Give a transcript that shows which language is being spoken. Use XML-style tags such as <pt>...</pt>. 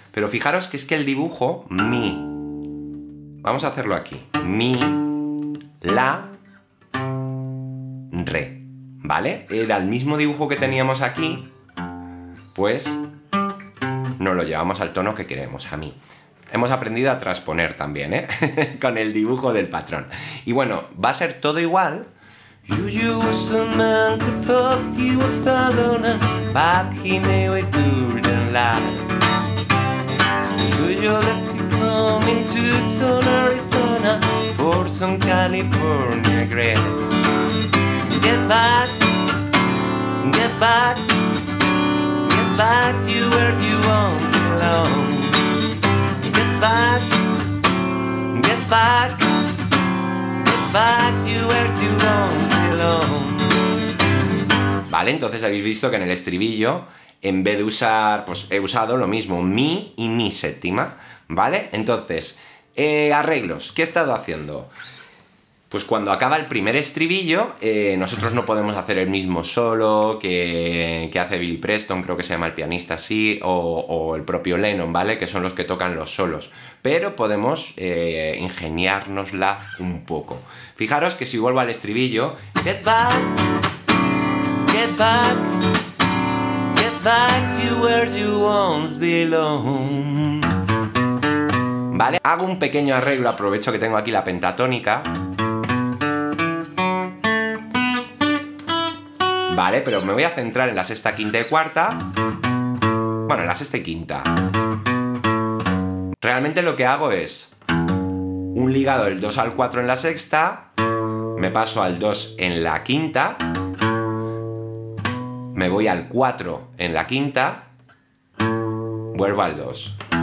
<es>Pero fijaros que es que el dibujo mi, vamos a hacerlo aquí, mi, la, re, ¿vale? Era el mismo dibujo que teníamos aquí, pues nos lo llevamos al tono que queremos, a mi. Hemos aprendido a transponer también, ¿eh? Con el dibujo del patrón. Y bueno, va a ser todo igual.</es> <en>You was the man who thought he was a loner, but he knew it couldn't last. You left home in Tucson, Arizona, for some California grass. Get back, get back, get back to where you once belong. Get back, get back, get back to where you once belong.</en> <es>Vale, entonces habéis visto que en el estribillo, en vez de usar, pues he usado lo mismo, mi y mi séptima. ¿Vale? Entonces, arreglos. ¿Qué he estado haciendo? Pues cuando acaba el primer estribillo, nosotros no podemos hacer el mismo solo que hace Billy Preston, creo que se llama el pianista así, o el propio Lennon, ¿vale? Que son los que tocan los solos. Pero podemos ingeniárnosla un poco. Fijaros que si vuelvo al estribillo...</es> <en>Get back, get back, get back to where you once belong.</en> <es>¿Vale? Hago un pequeño arreglo, aprovecho que tengo aquí la pentatónica. Vale, pero me voy a centrar en la sexta, quinta y cuarta. Bueno, en la sexta y quinta. Realmente lo que hago es un ligado del 2 al 4 en la sexta, me paso al 2 en la quinta, me voy al 4 en la quinta, vuelvo al 2.</es>